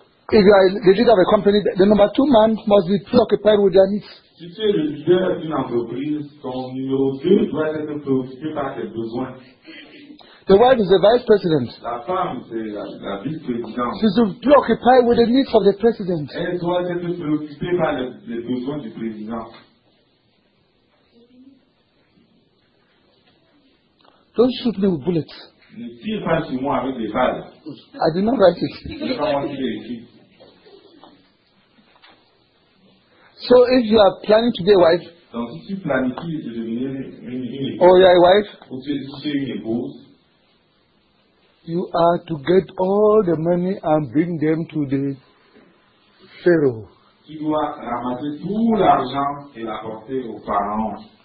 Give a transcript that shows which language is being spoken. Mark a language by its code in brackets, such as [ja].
[en] If you are the leader of a company, the number two man must be preoccupied with their needs. [fr] Si tu es le leader d'une entreprise, ton numéro deux doit être préoccupé par tes besoins. [en] The wife is the vice president. [fr] La femme, c'est la vice-présidente. [en] She's preoccupied with the needs of the president. [fr] Elle doit être préoccupée par les besoins du président. [en] Don't shoot me with bullets. [fr] Ne tire pas sur moi avec des balles. [en] I did not write it. So if you are planning to be a wife, [fr] donc si tu planifies de devenir une épouse, [en] or you are a wife, [fr] ou tu es une épouse, [en] you are to get all the money and bring them to the Pharaoh. [fr] Tu dois ramasser tout l'argent et l'apporter au pharaon.